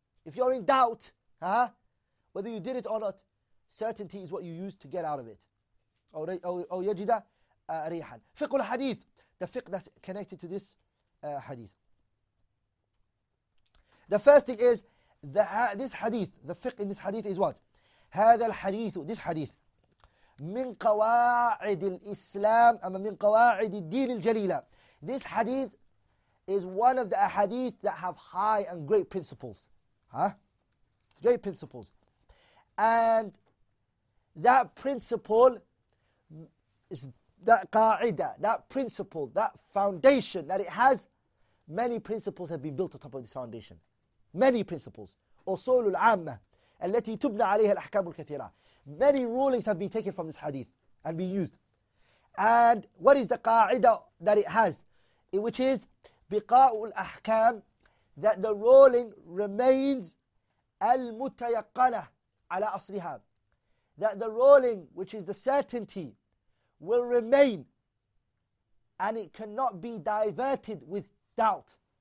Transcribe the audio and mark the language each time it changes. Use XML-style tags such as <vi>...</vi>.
<en>If you're in doubt, huh, whether you did it or not, certainty is what you use to get out of it.</en> <ar>أو يجد ريحا. فقه الحديث.</ar> <en>The fiqh that's connected to this hadith. The first thing is, this hadith, the fiqh in this hadith is what?</en> <ar>هذا الحديث,</ar> <en>this hadith,</en> <ar>من قواعد الإسلام, أما من قواعد الدين الجليلة.</ar> <en>This hadith is one of the hadith that have high and great principles. Huh? Great principles. And that principle is that qa'ida, that principle, that foundation, that it has many principles have been built on top of this foundation. Many principles.</en> <ar>أصول العامة التي تبنى عليها الأحكام الكثيرة.</ar> <en>Many rulings have been taken from this hadith and been used. And what is the qa'ida that it has? Which is</en> <ar>بِقَاءُ الْأَحْكَامِ,</ar> <en>that the ruling remains</en> <ar>الْمُتَيَقَّنَةِ عَلَىٰ أَصْلِهَا,</ar> <en>that the ruling, which is the certainty, will remain and it cannot be diverted with doubt.</en>